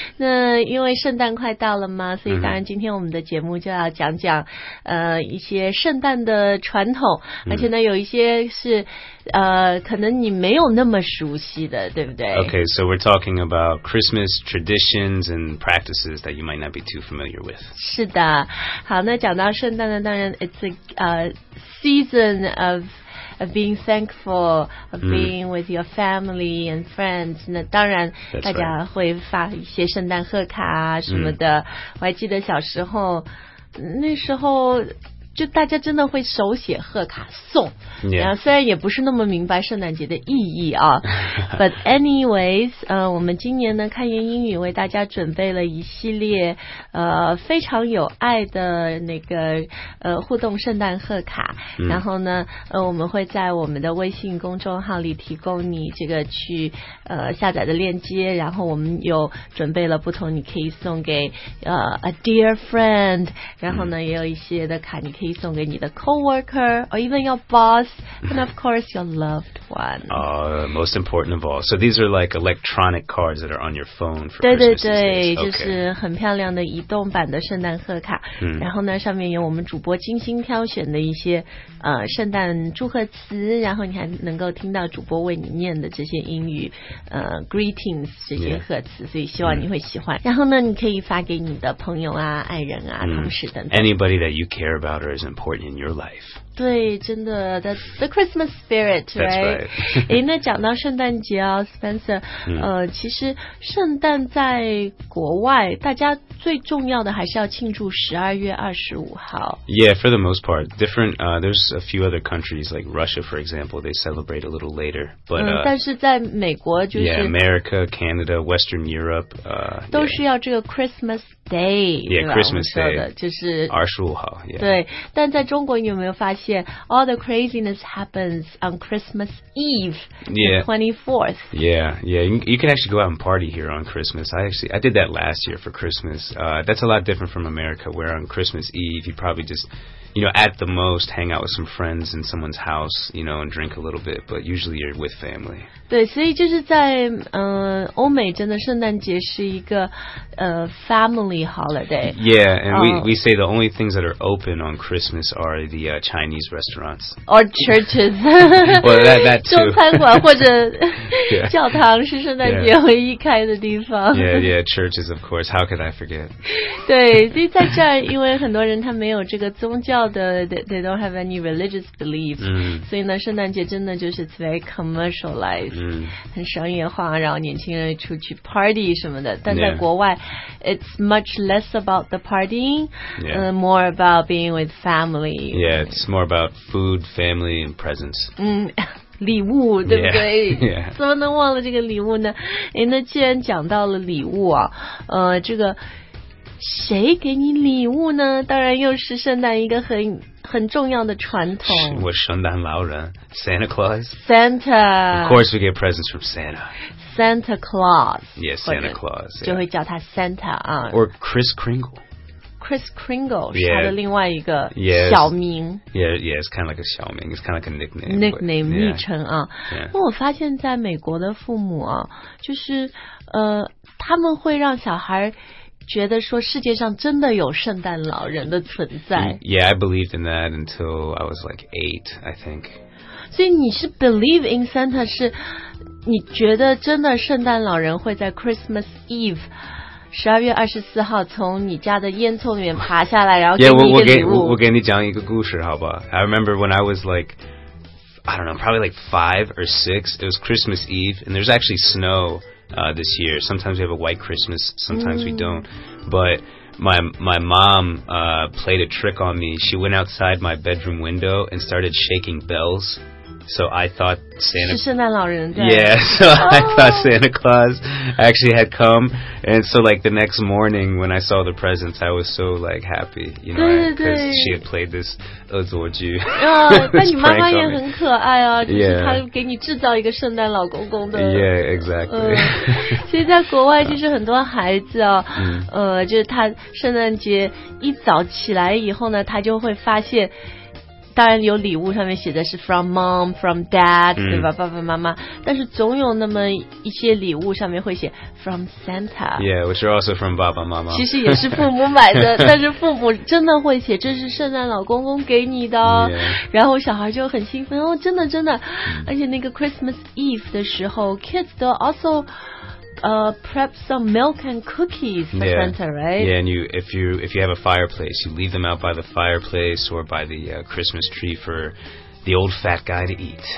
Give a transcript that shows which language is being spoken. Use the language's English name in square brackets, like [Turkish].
[Chinese] 那因为圣诞快到了嘛，所以当然今天我们的节目就要讲讲、mm-hmm. 一些圣诞的传统，而且呢有一些是可能你没有那么熟悉的，对不对？ [English] Okay, so we're talking about Christmas traditions and practices that you might not be too familiar with. [Chinese] 是的，好，那讲到圣诞呢，当然 [English] it's a season of. Of being thankful, of being with your family and friends. [Chinese] 那当然大家会发一些圣诞贺卡啊什么的。我还记得小时候那时候就大家真的会手写贺卡送。 [English] Yeah. [Chinese] 虽然也不是那么明白圣诞节的意义啊。 [English] But anyways, [Chinese] 我们今年呢看言英语为大家准备了一系列非常有爱的那个互动圣诞贺卡。然后呢我们会在我们的微信公众号里提供你这个去下载的链接，然后我们有准备了不同你可以送给 [English] a dear friend, [Chinese] 然后呢也有一些的卡你可以送给你的 coworker, [English] or even your boss, and of course your loved one. Most important of all. So these are like electronic cards that are on your phone for [Chinese] 对对对 [English] Christmas. [Chinese] 对对对，就是很漂亮的移动版的圣诞贺卡。然后呢，上面有我们主播精心挑选的一些圣诞祝贺词，然后你还能够听到主播为你念的这些英语greetings 这些贺词， [English] yeah. [Chinese] 所以希望你会喜欢。然后呢，你可以发给你的朋友啊、爱人啊、同事等等。 [English] Anybody that you care about. Or is important in your life. [Chinese] 对，真的 [English] that's the Christmas spirit, right? That's right. [Chinese] 诶，那讲到圣诞节啊 Spencer, 其实圣诞在国外，大家最重要的还是要庆祝12月25号。 [English] Yeah, for the most part. Different, there's a few other countries, like Russia, for example, they celebrate a little later. But, [Chinese] 但是在美国就是 [English] Yeah, America, Canada, Western Europe, [Chinese] 都是要这个 Christmas Day, [English] yeah, Christmas Day, [Chinese] 就是 25号 [English] yeah. [Chinese] 对，但在中国你有没有发现 [English] all the craziness happens on Christmas Eve, yeah, 24th. Yeah, yeah, you can actually go out and party here on Christmas. I did that last year for Christmas. That's a lot different from America, where on Christmas Eve, you probably just... You know, at the most, hang out with some friends in someone's house, you know, and drink a little bit, but usually you're with family. [Chinese] 对，所以就是在欧美真的圣诞节是一个family holiday. [English] Yeah, and we say the only things that are open on Christmas are the Chinese restaurants. Or churches. Well, that too. [Chinese] 中餐馆或者教堂是圣诞节唯一开的地方。 [English] Yeah, churches, of course. How could I forget? [Chinese] 对，所以在这儿因为很多人他没有这个宗教 [English] They don't have any religious beliefs. So, in the [Chinese] 圣诞节真的就是 [English] it's very commercialized, [Chinese] 很商业化，然后年轻人出去 party 什么的。但在国外 [English] it's much less about the partying, more about being with family. Yeah, it's more about food, family, and presents. [Chinese] 礼物对不对 [English] yeah. [Chinese] 怎么能忘了这个礼物呢？诶，那既然讲到了礼物啊，这个谁给你礼物呢？当然又是圣诞一个很重要的传统。我圣诞老人 ，Santa Claus。 [English] Santa。 Of course, we get presents from Santa. Santa Claus. Yes, Santa Claus. [Chinese] 就会叫他 Santa 啊。 [English] Or Kris Kringle. [Chinese] Kris Kringle 是他的另外一个小名。 [English] Yeah, it's kind of like a 小名 ，it's kind of like a nickname. [Chinese] Nickname 昵称啊。 [English] Yeah. [Chinese] 我发现，在美国的父母啊，就是他们会让小孩。觉得说世界上真的有圣诞老人的存在。 [English] Yeah, I believed in that until I was like 8, I think. [Chinese] 所以你是 believe in Santa, 是你觉得真的圣诞老人会在 Christmas Eve, 12月24号从你家的烟囱里面爬下来然后给你一个礼物。我给你讲一个故事好不好 [English] ? I remember when I was like,I don't know, probably like 5 or 6, it was Christmas Eve, and there's actually snow,this year. Sometimes we have a white Christmas, sometimes we don't. But my mom, played a trick on me. She went outside my bedroom window and started shaking bells So I thought Santa... [Chinese] 是圣诞老人对。 [English] Yeah, so I thought Santa Claus actually had come. And so, like, the next morning when I saw the presents, I was so, like, happy. You know, [Chinese] 对对对。 [English] Because she had played this 恶作剧。 [Chinese] 但你妈妈也很可爱啊，就是她给你制造一个圣诞老公公的。 [English] Yeah, exactly. [Chinese] 所以在国外就是很多孩子啊，就是他圣诞节一早起来以后呢，他就会发现当然有礼物上面写的是 [English] from mom, from dad, [Chinese] 对吧，爸爸妈妈。但是总有那么一些礼物上面会写 from Santa. [English] Yeah, which are also from 爸爸妈妈。 [Chinese] 其实也是父母买的但是父母真的会写这是圣诞老公公给你的。 [English] Yeah. [Chinese] 然后小孩就很兴奋哦真的真的。而且那个 [English] Christmas Eve [Chinese] 的时候 [English] kids [Chinese] 都 [English] also,prep some milk and cookies for Santa, right? Yeah, and you, if you have a fireplace, you leave them out by the fireplace or by the Christmas tree for the old fat guy to eat.